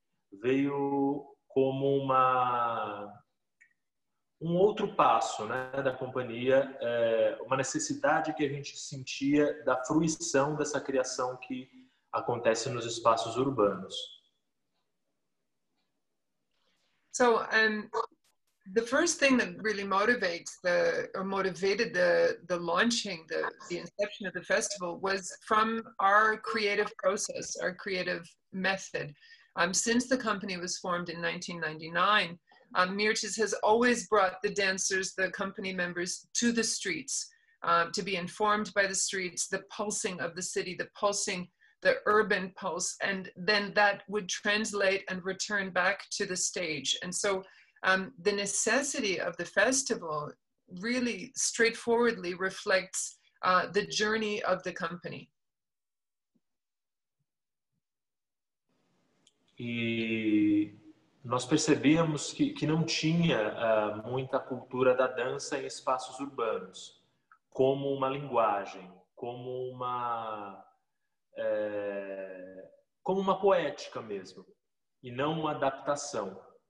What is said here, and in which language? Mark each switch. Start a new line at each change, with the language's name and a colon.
Portuguese: Veio como um outro passo, né, da companhia, uma necessidade que a gente sentia da fruição dessa criação que acontece nos espaços urbanos.
English: So, the first thing that really motivated the launching, the inception of the festival was from our creative process, our creative method. Since the company was formed in 1999, Mirtes has always brought the dancers, the company members, to the streets, to be informed by the streets, the pulsing of the city, the urban pulse, and then that would translate and return back to the stage. And so the necessity of the festival really straightforwardly reflects the journey of the company.
Portuguese: E nós percebíamos que não tinha muita cultura da dança em espaços urbanos, como uma linguagem, como uma poética mesmo, e não uma adaptação.